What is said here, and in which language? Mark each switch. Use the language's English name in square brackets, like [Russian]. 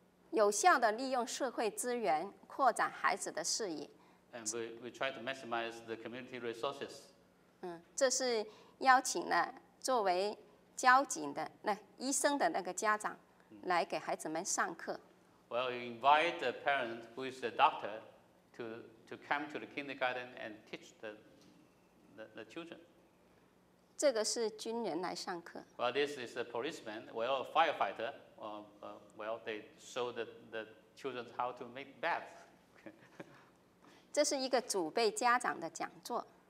[Chinese] 有效地利用社会资源，扩展孩子的视野。 [English] And we try to maximize the community resources. [Chinese] 嗯，这是邀请了作为交警的那医生的那个家长来给孩子们上课。 [English] Well, you invite the parent who is a doctor to come to the kindergarten and teach the children. [Chinese] 这个是军人来上课。 [English] Well, this is a policeman. Well, a firefighter. Well, they show the children how to make beds. [Chinese] 这是一个祖辈家长的讲座。